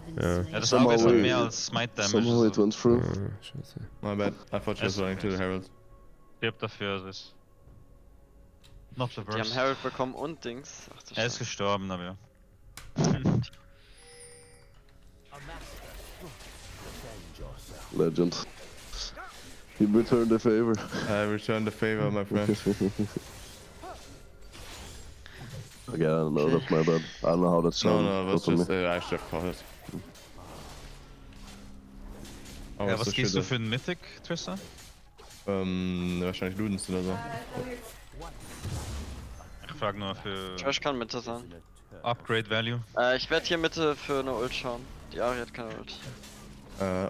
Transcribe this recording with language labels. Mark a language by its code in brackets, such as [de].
[de] Ja, das Auge ist halt mehr als Smite Damage. [en] Somehow it went through. Oh, scheiße. My bad. I thought you were going to the Herald. [de] Ich hab dafür, also ist... Not the worst. Die haben Herald bekommen und Dings. Ach, er ist gestorben, aber ja. [en] Legend. You returned the favor. I returned the favor, my friend. Again, I don't know, that's my bad. I don't know how that sounds. No, that's just, I should have caught it. [de] Oh, ja, was gehst du für einen Mythic, Trista? Wahrscheinlich Ludens oder so. Ich frag nur für... Trash kann Mitte sein. [en] Upgrade Value. [de] Ich werd hier Mitte für eine Ult schauen. Die Ari hat keine Ult.